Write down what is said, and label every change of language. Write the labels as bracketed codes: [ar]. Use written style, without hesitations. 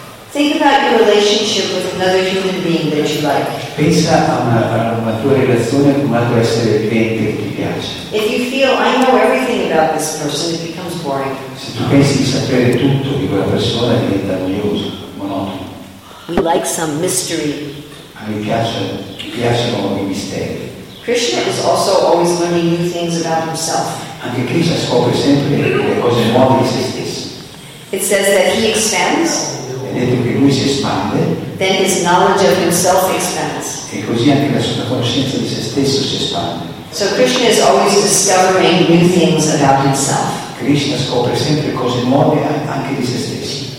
[en] Think about your relationship with another human being that you like. [it] Pensa a una tua relazione con un altro essere vivente che ti piace. [en] If you feel I know everything about this person, it becomes boring. [it] Se tu pensi di sapere tutto di quella persona, diventa noioso, monotono. [en] We like some mystery. [it] A me piacciono i misteri. [en] Krishna is also always learning new things about himself. [it] Anche Krishna scopre sempre le cose nuove di se stesso. [en] It says that he expands. [it] Detto che lui si espande, [en] then his knowledge of himself expands. [it] E così anche la sua conoscenza di se stesso si espande. [en] So Krishna is always discovering new things about himself. [it] Krishna scopre sempre cose nuove anche di se stesso.